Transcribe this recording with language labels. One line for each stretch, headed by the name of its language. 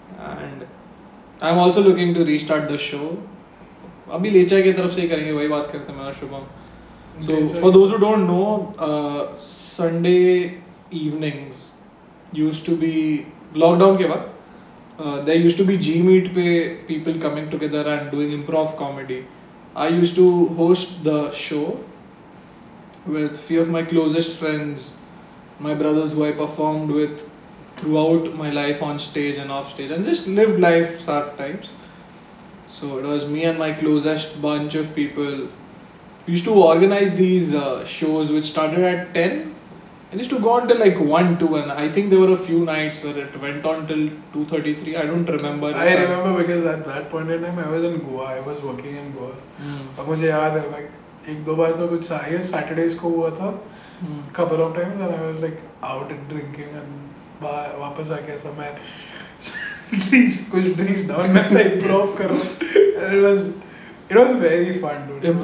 English: and I am also looking to restart the show,
Hindi: अभी लेचा की तरफ से ही करेंगे, वही बात करते हैं मैं Shubham.
English: so for those who don't know, Sunday evenings used to be,
Hindi: lockdown के बाद
English: There used to be G meet पे people coming together and doing improv comedy. I used to host the show with few of my closest friends, my brothers who I performed with throughout my life on stage and off stage, and just lived life sad times. So it was me and my closest bunch of people. We used to organize these shows which started at 10 and used to go on till like 1, 2, and I think there were a few nights where it went on till 2:33. I don't remember. I remember because at that point in time I was in Goa. I was working in Goa.
Hindi: अब मुझे याद है like एक दो बार तो कुछ आई है Saturdays को हुआ था
English: couple of times and I was like out drinking
Hindi: and वापस आके ऐसा मैं ड्रिंक्स कुछ ड्रिंक्स डाउन मैं सही इंप्रूव करो
English: and it was very fun dude